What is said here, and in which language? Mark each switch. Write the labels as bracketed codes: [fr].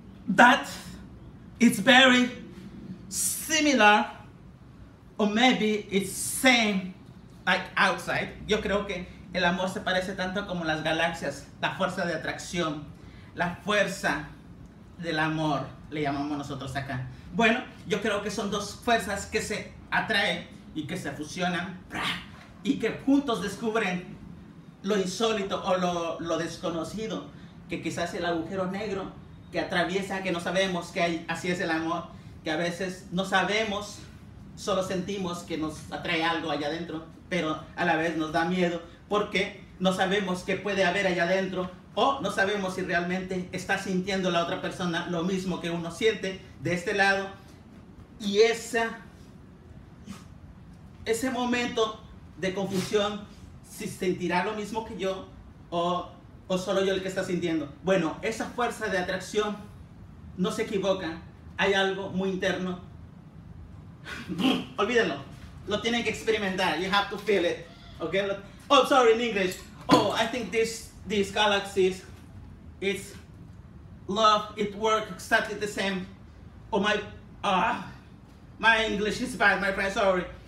[en] That it's very similar, or maybe it's same. Like outside, [es] yo creo que el amor se parece tanto como las galaxias, la fuerza de atracción, la fuerza del amor, le llamamos nosotros acá. Bueno, yo creo que son 2 fuerzas que se atraen y que se fusionan y que juntos descubren lo insólito o lo desconocido, que quizás el agujero negro que atraviesa, que no sabemos que hay, así es el amor, que a veces no sabemos, solo sentimos que nos atrae algo allá adentro. Pero a la vez nos da miedo porque no sabemos qué puede haber allá adentro o no sabemos si realmente está sintiendo la otra persona lo mismo que uno siente de este lado. Y ese momento de confusión, si sentirá lo mismo que yo o solo yo el que está sintiendo. Bueno, esa fuerza de atracción no se equivoca. Hay algo muy interno. Olvídenlo. Lo tienen que experimentar. [en] You have to feel it. Okay? Oh, sorry, in English. Oh, I think this these galaxies, it's love, it works exactly the same. Oh my, my English is bad, my friend, sorry.